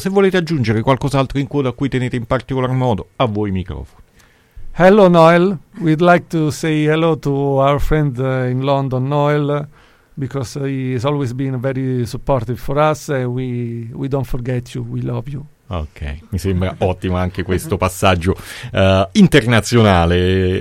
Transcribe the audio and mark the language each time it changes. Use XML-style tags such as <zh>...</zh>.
<it>Se volete aggiungere qualcos'altro in coda a cui tenete in particolar modo, a voi i microfoni.</it> <en>Hello Noel, we'd like to say hello to our friend in London, Noel, because he has always been very supportive for us and we don't forget you, we love you.</en> <it>Ok, mi sembra ottimo anche questo passaggio internazionale.</it>